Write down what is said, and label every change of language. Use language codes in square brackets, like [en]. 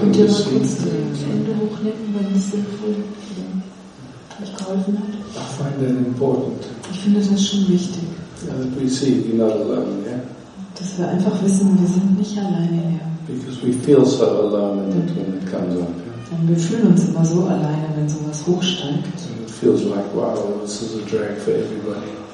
[de] Könnt ihr mal kurz die Hände hochnehmen, wenn es sinnvoll euch geholfen hat? [en] I find that important. [de] Ich finde das schon wichtig. [en] Yeah, that we see we're not alone, yeah? [de] Dass wir einfach wissen, wir sind nicht alleine hier. [en] Because we feel so alone in it when it comes up. Yeah? [de] Wir fühlen uns immer so alleine, wenn sowas hochsteigt. [en] And it feels like, wow, this is a drag for everybody.